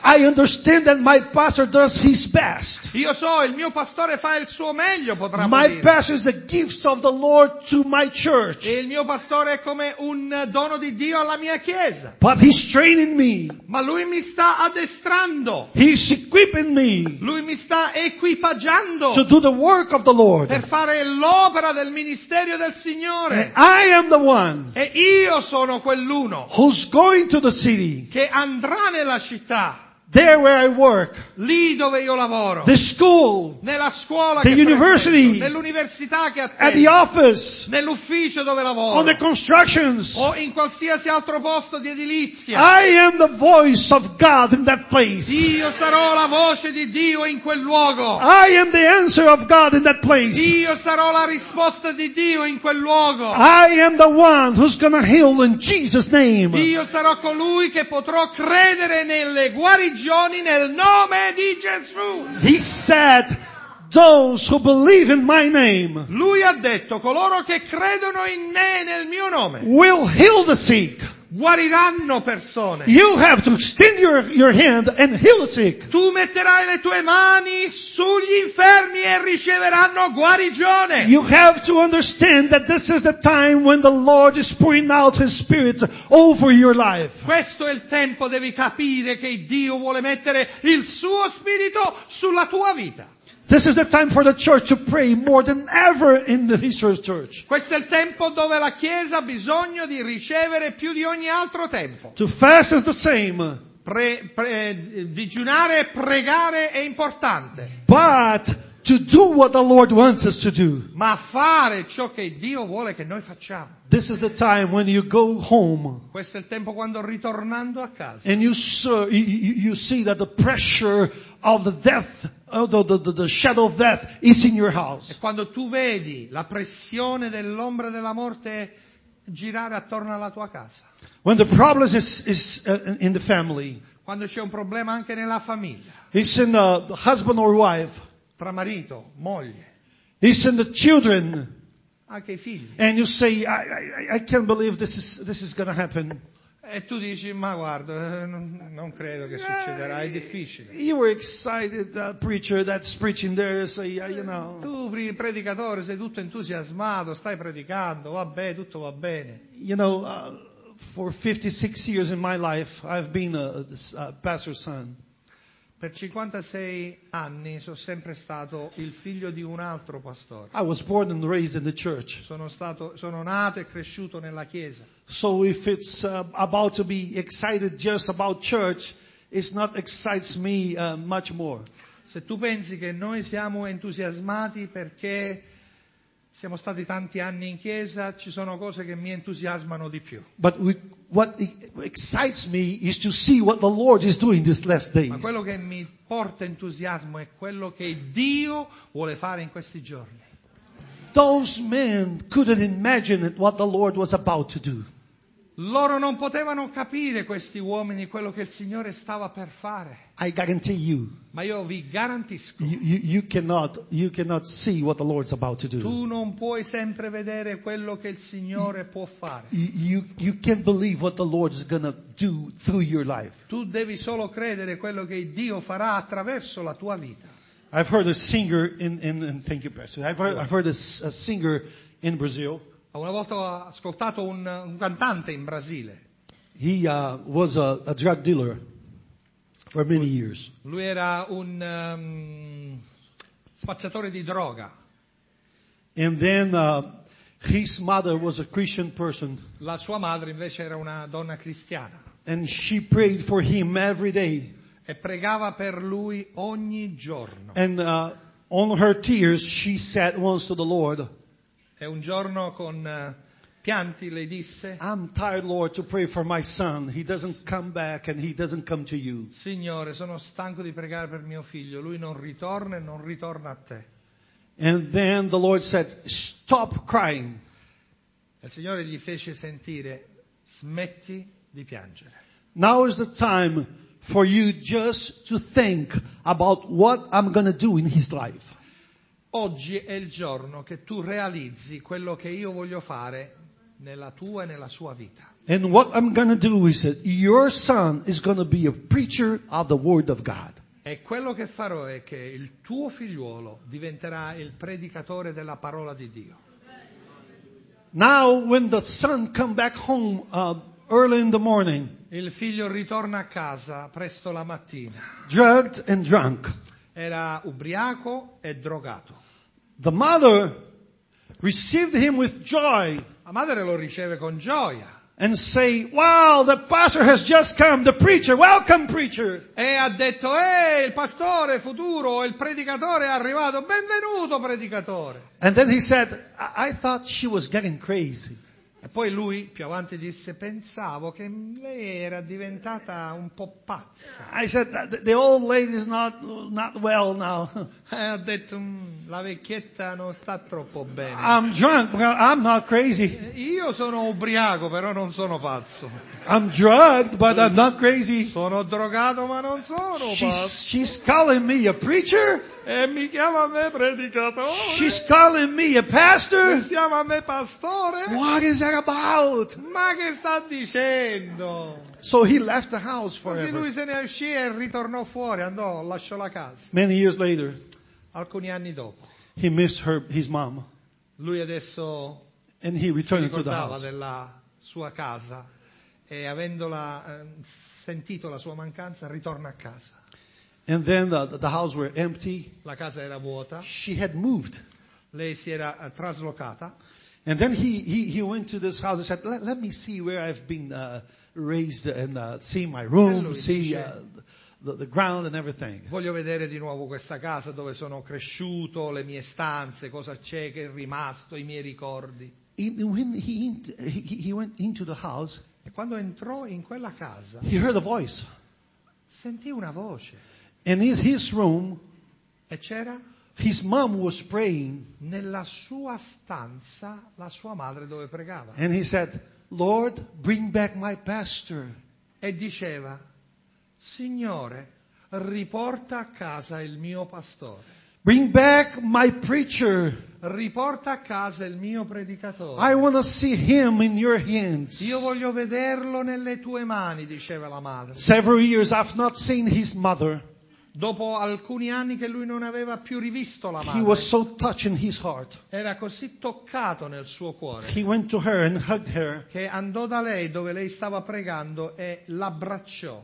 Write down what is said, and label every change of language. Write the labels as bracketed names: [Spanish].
[English] I understand that my pastor does his best. [Italian] Io so il mio pastore fa il suo meglio, potrà dire. [English] My pastor is a gift of the Lord to my church. [Italian] E il mio pastore è come un dono di Dio alla mia chiesa. [English] But he's training me. [Italian] Ma lui mi sta addestrando. [English] He's equipping me. [Italian] Lui mi sta equipaggiando. [English] To do the work of the Lord. [Italian] Per fare l'opera del ministero del Signore. [English] And I am the one. [Italian] E io sono quell'uno. [English] Who's going to the city? [Italian] Che andrà nella città. [English] There where I work. [Italian] Lì dove io lavoro. [English] The school. [Italian] Nella scuola. [English] The university. [Italian] Nell'università che attendo. [English] At the office. [Italian] Nell'ufficio dove lavoro. [English] On the constructions. [Italian] O in qualsiasi altro posto di edilizia. [English] I am the voice of God in that place. [Italian] Io sarò la voce di Dio in quel luogo. [English] I am the answer of God in that place. [Italian] Io sarò la risposta di Dio in quel luogo. [English] I am the one who's gonna heal in Jesus' name. [Italian] Io sarò colui che potrò credere nelle guarigioni. Nel nome di Gesù. [English] He said, "Those who believe in my name." [Italian] Lui ha detto, coloro che credono in me nel mio nome. [English] Will heal the sick. [Italian] Guariranno persone. [English] You have to extend your hand and heal the sick. [Italian] Tu metterai le tue mani sugli infermi e riceveranno guarigione. [English] You have to understand that this is the time when the Lord is pouring out His Spirit over your life. [Italian] Questo è il tempo, devi capire che Dio vuole mettere il suo spirito sulla tua vita. [English] This is the time for the church to pray more than ever in the Restored Church. [Italian] Questo è il tempo dove la Chiesa ha bisogno di ricevere più di ogni altro tempo. [English] To fast is the same. [Italian] Digiunare e pregare è importante. [English] But to do what the Lord wants us to do. [Italian] Ma fare ciò che Dio vuole che noi facciamo. [English] This is the time when you go home. [Italian] Questo è il tempo quando ritornando a casa. [English] And you see that the pressure of the death, the shadow of death is in your house. [Italian] E quando tu vedi la pressione dell'ombra della morte girare attorno alla tua casa. [English] When the problem is in the family. [Italian] Quando c'è un problema anche nella famiglia. [English] It's in the husband or wife. [Italian] Tra marito, moglie. [English] It's in the children. [Italian] Anche i figli. [English] And you say, I can't believe this is gonna happen. [Italian] E tu dici, ma guarda, non credo che succederà, è difficile. [English] You were excited, preacher, that's preaching there, so, you know. [Italian] Tu, predicatore, sei tutto entusiasmato, stai predicando, vabbè, tutto va bene. [English] You know, for 56 years in my life, I've been a pastor's son. [Italian] Per 56 anni sono sempre stato il figlio di un altro pastore. [English] I was born and raised in the church. [Italian] Sono nato e cresciuto nella chiesa. [English] So if it's about to be excited just about church, it's not excites me much more. [Italian] Se tu pensi che noi siamo entusiasmati perché siamo stati tanti anni in chiesa, ci sono cose che mi entusiasmano di più. [English] But what excites me is to see what the Lord is doing these last days. [Italian] Ma quello che mi porta entusiasmo è quello che Dio vuole fare in questi giorni. [English] Those men couldn't imagine it, what the Lord was about to do. [Italian] Loro non potevano capire, questi uomini, quello che il Signore stava per fare. [English] I guarantee you. [Italian] Ma io vi garantisco. [English] You cannot see what the Lord's about to do. [Italian] Tu non puoi sempre vedere quello che il Signore può fare. [English] You can't believe what the Lord is gonna do through your life. [Italian] Tu devi solo credere quello che Dio farà attraverso la tua vita. [English] I've heard a singer in thank you, Pastor. I've heard a singer in Brazil. [Italian] Una volta ho ascoltato un cantante in Brasile. [English] He was a drug dealer for many years. [Italian] Lui era un spacciatore di droga. [English] And then his mother was a Christian person. [Italian] La sua madre invece era una donna cristiana. [English] And she prayed for him every day. [Italian] E pregava per lui ogni giorno. [English] And on her tears she said once to the Lord. [Italian] E un giorno con pianti le disse: [English] I'm tired, Lord, to pray for my son. He doesn't come back and he doesn't come to you. [Italian] Signore, sono stanco di pregare per mio figlio. Lui non ritorna e non ritorna a te. [English] And then the Lord said, stop crying. [Italian] E il Signore gli fece sentire: smetti di piangere. [English] Now is the time for you just to think about what I'm gonna do in his life. [Italian] Oggi è il giorno che tu realizzi quello che io voglio fare nella tua e nella sua vita. [English] And what I'm gonna do is that your son is gonna be a preacher of the word of God. [Italian] E quello che farò è che il tuo figliuolo diventerà il predicatore della parola di Dio. [English] Now when the son come back home early in the morning. [Italian] Il figlio ritorna a casa presto la mattina. [English] Drugged and drunk. [Italian] Era ubriaco e drogato. [English] The mother received him with joy. [Italian] La madre lo riceve con gioia. [English] And say, wow, the pastor has just come, the preacher, welcome preacher. [Italian] E ha detto, il pastore futuro, il predicatore è arrivato, benvenuto predicatore. [English] And then he said, I thought she was getting crazy. [Italian] E poi lui, più avanti, disse, pensavo che lei era diventata un po' pazza. [English] I said, the old lady is not well now. [Italian] E ha detto, la vecchietta non sta troppo bene. [English] I'm drunk, but I'm not crazy. [Italian] Io sono ubriaco, però non sono pazzo. [English] I'm drugged, but I'm not crazy. [Italian] Sono drogato, ma non sono pazzo. [English] She's calling me a preacher. [Italian] E mi chiama me predicatore. [English] She's calling me a pastor. [Italian] Mi chiama me pastore. [English] What is that about? [Italian] Ma che sta dicendo? [English] So he left the house forever. [Italian] Così lui se ne uscì e ritornò fuori, andò, lasciò la casa. [English] Many years later. [Italian] Alcuni anni dopo. [English] He missed his mom. [Italian] Lui adesso. [English] And he returned to the house. [Italian] Ricordava della sua casa e avendola sentito la sua mancanza, ritorna a casa. [English] And then the house were empty. [Italian] La casa era vuota. [English] She had moved. [Italian] Lei si era traslocata. [English] And then he went to this house and said, let me see where I've been raised and see my room, see the ground and everything. [Italian] Voglio vedere di nuovo questa casa dove sono cresciuto, le mie stanze, cosa c'è che è rimasto, i miei ricordi. [English] When he went into the house, [Italian] e quando entrò in quella casa, [English] he heard a voice. [Italian] Sentì una voce. [English] And in his room, [Italian] e c'era? [English] His mom was praying. [Italian] Nella sua stanza, la sua madre dove pregava. [English] And he said, Lord, bring back my pastor. [Italian] E diceva, Signore, riporta a casa il mio pastore. [English] Bring back my preacher. [Italian] Riporta a casa il mio predicatore. [English] I want to see him in your hands. [Italian] Io voglio vederlo nelle tue mani, diceva la madre. [English] Several years I've not seen his mother. [Italian] Dopo alcuni anni che lui non aveva più rivisto la madre. [English] He was so touched in his heart. [Italian] Era così toccato nel suo cuore. [English] He went to her and hugged her. [Italian] Che andò da lei dove lei stava pregando e l'abbracciò.